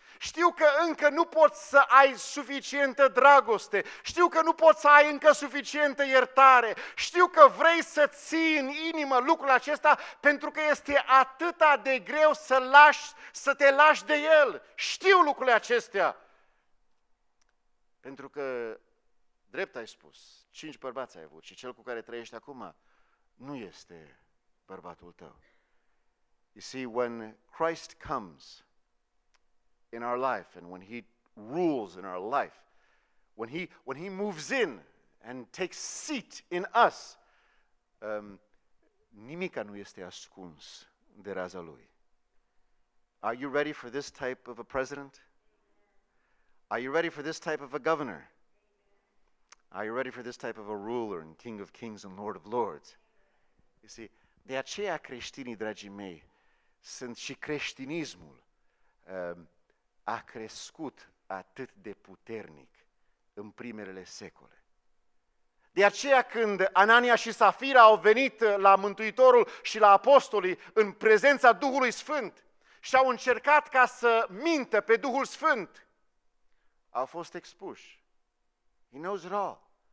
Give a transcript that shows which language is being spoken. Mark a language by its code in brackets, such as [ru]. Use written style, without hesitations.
[ro] Știu că încă nu poți să ai suficientă dragoste, știu că nu poți să ai încă suficientă iertare, știu că vrei să ții în inimă lucrul acesta pentru că este atât de greu să te lași de el. Știu lucrurile acestea. Pentru că, drept ai spus, 5 bărbați ai avut și cel cu care trăiești acum nu este bărbatul tău. [en] You see, when Christ comes in our life, and when he rules in our life, when he moves in and takes seat in us, [ro] nimica nu este ascuns de raza lui. [en] Are you ready for this type of a president? Are you ready for this type of a governor? Are you ready for this type of a ruler and king of kings and lord of lords? You see, [ro] de aceea creștinii, dragii mei, sunt și creștinismul a crescut atât de puternic în primele secole. De aceea când Anania și Safira au venit la Mântuitorul și la apostolii în prezența Duhului Sfânt și au încercat ca să mintă pe Duhul Sfânt, au fost expuși. [en] He knows it all.